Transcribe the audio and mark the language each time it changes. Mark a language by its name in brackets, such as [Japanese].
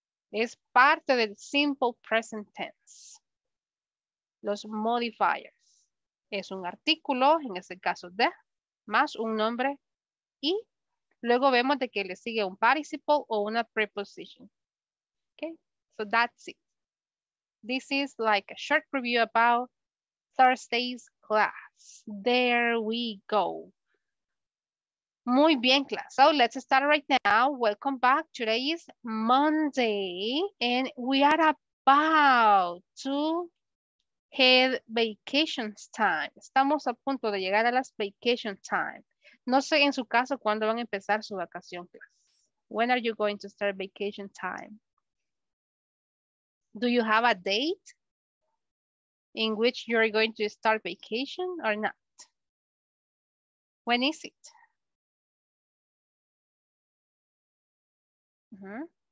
[Spanish] Es parte del simple present tense. Los modifiers. Es un artículo, en este caso de, más un nombre. Y luego vemos de que le sigue un participle o una preposition. [English] Okay, so that's it. This is like a short review about Thursday's class. There we go. [Spanish] Muy bien, [English] class. So let's start right now. Welcome back. Today is Monday and we are about to head vacation time. [Spanish] Estamos a punto de llegar a las [English] vacation time. [Spanish] No sé en su caso cuándo van a empezar su vacación. [English] When are you going to start vacation time? Do you have a date in which you're going to start vacation or not? When is it?